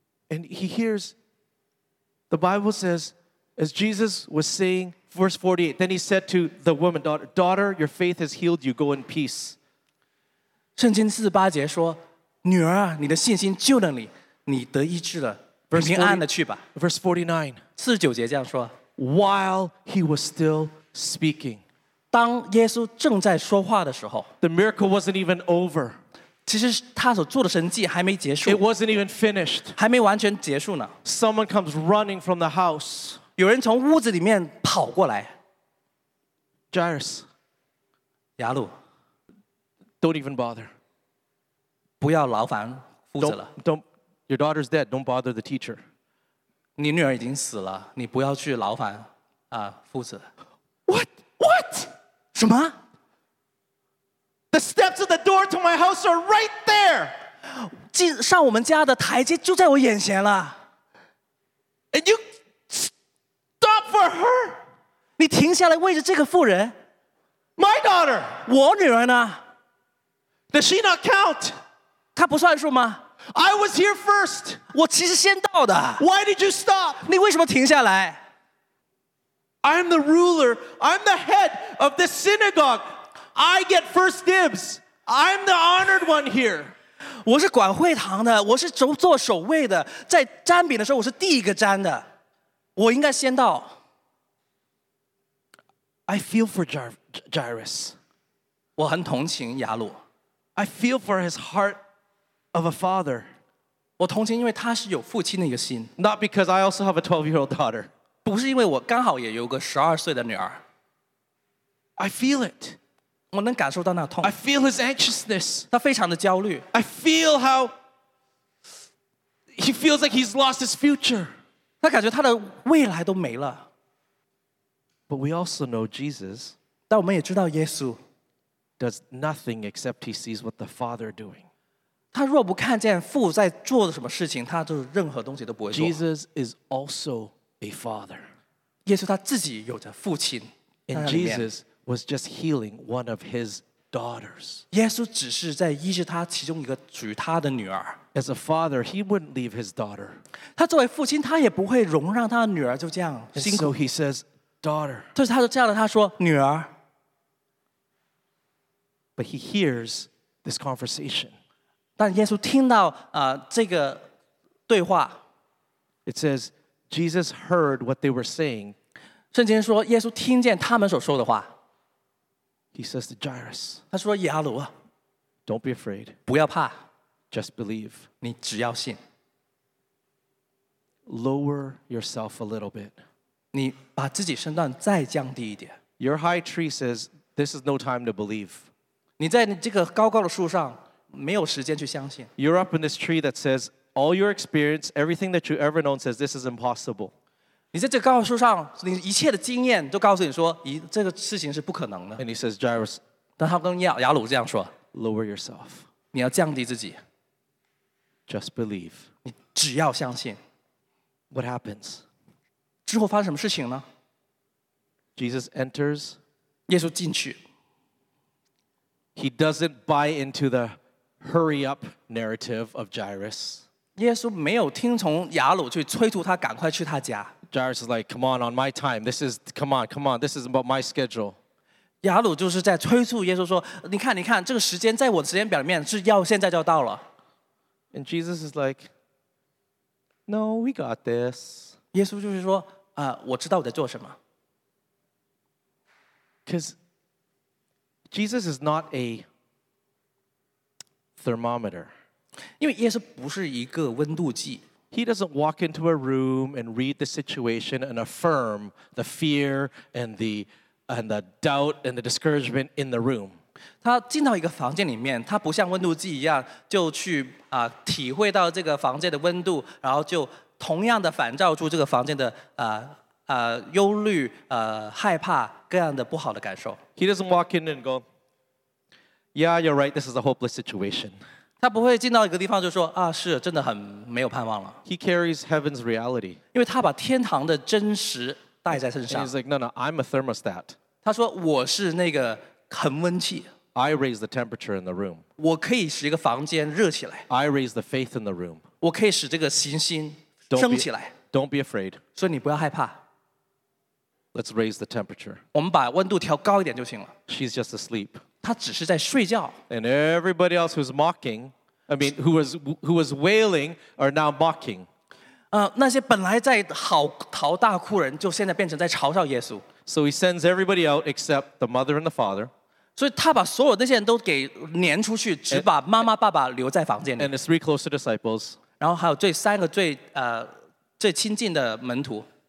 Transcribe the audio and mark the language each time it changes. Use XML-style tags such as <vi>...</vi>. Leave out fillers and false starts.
<en>And he hears, the Bible says, as Jesus was saying, verse 48, then he said to the woman, daughter, your faith has healed you, go in peace.</en> <zh>圣经四十八节说，女儿啊，你的信心救了你，你得医治了，平安的去吧。</zh> <en>Verse 49,</en> <zh>四十九节这样说，</zh> <en>while he was still speaking,</en> <zh>当耶稣正在说话的时候，</zh> <en>The miracle wasn't even over.</en> <zh>其实他所做的神迹还没结束。</zh> <en>It wasn't even finished.</en> <zh>还没完全结束呢。</zh> <en>Someone comes running from the house.</en> <zh>有人从屋子里面跑过来。</zh> <en>Jairus.</en> <zh>雅鲁。</zh> <en>Don't even bother.</en> <zh>不要劳烦夫子了。</zh> <en>Your daughter's dead. Don't bother the teacher.</en> <zh>你女儿已经死了，你不要去劳烦夫子。</zh> <en>What?</en> <zh>什么？</zh> <en>The steps of the door to my house are right there.</en> <zh>进上我们家的台阶就在我眼前了。</zh> <en>And you stop for her?</en> <zh>你停下来为着这个妇人？</zh> <en>My daughter.</en> <zh>我女儿呢？</zh> <en>Does she not count?</en> <zh>她不算数吗？</zh> <en>I was here first.</en> <zh>我其实先到的。</zh> <en>Why did you stop?</en> <zh>你为什么停下来？</zh> <en>I'm the ruler. I'm the head of this synagogue. I get first dibs. I'm the honored one here.</en> <zh>我是管会堂的，我是做守卫的，在沾饼的时候我是第一个沾的，我应该先到。</zh> <en>I feel for Jairus.</en> <zh>我很同情雅鲁。</zh> <en>I feel for his heart of a father.</en> <zh>我同情因为他是有父亲的一个心。</zh> <en>Not because I also have a 12-year-old daughter.</en> <zh>不是因为我刚好也有个十二岁的女儿。</zh> <en>I feel it.</en> <zh>我能感受到那痛。</zh> <en>I feel his anxiousness.</en> <zh>他非常的焦虑。</zh> <en>I feel how he feels like he's lost his future.</en> <zh>他感觉他的未来都没了。</zh> <en>But we also know Jesus.</en> <zh>但我们也知道耶稣。</zh> <en>Does nothing except he sees what the Father doing.</en> <zh>他若不看见父在做的什么事情，他就任何东西都不会做。</zh> <en>Jesus is also. A father.</en> <zh>耶稣他自己有着父亲。</zh> <en>And Jesus was just healing one of his daughters.</en> <zh>耶稣只是在医治他其中一个属于他的女儿。</zh> <en>As a father, he wouldn't leave his daughter.</en> <zh>他作为父亲，他也不会容让他的女儿就这样辛苦。</zh> <en>So he says, daughter.</en> <zh>就是他就叫了他说女儿。</zh> <en>But he hears this conversation.</en> <zh>但耶稣听到这个对话。</zh> <en>It says,Jesus heard what they were saying.</en> <zh>圣经说耶稣听见他们所说的话。</zh> <en>He says to Jairus,</en> <zh>他说雅鲁啊，</zh> <en>Don't be afraid.</en> <zh>不要怕。</zh> <en>Just believe.</en> <zh>你只要信。</zh> <en>Lower yourself a little bit.</en> <zh>你把自己身段再降低一点。</zh> <en>Your high tree says, this is no time to believe.</en> <zh>你在这个高高的树上没有时间去相信。</zh> <en>You're up in this tree that says, all your experience, everything that you've ever known says, this is impossible.</en> <zh>你在这个高高的树上你一切的经验都告诉你说这个事情是不可能的。</zh> <en>And he says, Jairus,</en> <zh>但他跟雅鲁这样说</zh> <en>lower yourself.</en> <zh>你要降低自己。</zh> <en>Just believe.</en> <zh>你只要相信。</zh> <en>What happens?</en> <zh>之后发生什么事情呢？</zh> <en>Jesus enters.</en> <zh>耶稣进去。</zh> <en>He doesn't buy into the hurry up narrative of Jairus.</en> <zh>耶稣没有听从雅鲁去催促他赶快去他家。</zh> <en>Jairus is like, come on my time. This is, come on, this is about my schedule.</en> <zh>雅鲁就是在催促耶稣说，你看，这个时间在我的时间表里面是要现在就要到了。</zh> <en>And Jesus is like, no, we got this.</en> <zh>耶稣就是说，我知道我在做什么。</zh> <en>Because Jesus is not a thermometer.</en> <zh>因为耶稣不是一个温度计。</zh> <en>He doesn't walk into a room and read the situation and affirm the fear and the doubt and the discouragement in the room.</en> <zh>他进到一个房间里面，他不像温度计一样就去体会到这个房间的温度，然后就同样的反照出这个房间的忧虑害怕。各样的不好的感受。</zh> <en>He doesn't walk in and go, yeah, you're right, this is a hopeless situation.</en> <zh>他不会进到一个地方就说啊，是真的很没有盼望了。</zh> <en>He carries heaven's reality.</en> <zh>因为他把天堂的真实带在身上。</zh> <en>And he's like, no, I'm a thermostat.</en> <zh>他说我是那个恒温器。</zh> <en>I raise the temperature in the room.</en> <zh>我可以使一个房间热起来。</zh> <en>I raise the faith in the room.</en> <zh>我可以使这个信心升起来。</zh> <en>Don't be afraid.</en> <zh>所以你不要害怕。</zh> <en>Let's raise the temperature.</en> <zh>我们把温度调高一点就行了。</zh> <en>She's just asleep.</en> <zh>她只是在睡觉。</zh> <en>And everybody else who's mocking, I mean, who was wailing, are now mocking.</en> <zh>那些本来在嚎大哭人，就现在变成在嘲笑耶稣。</zh> <en>So he sends everybody out except the mother and the father.</en> <zh>所以他把所有那些人都给撵出去，只把妈妈爸爸留在房间里。</zh> <en>And the three closer disciples.</en> <zh>然后还有最三个最亲近的门徒。</zh>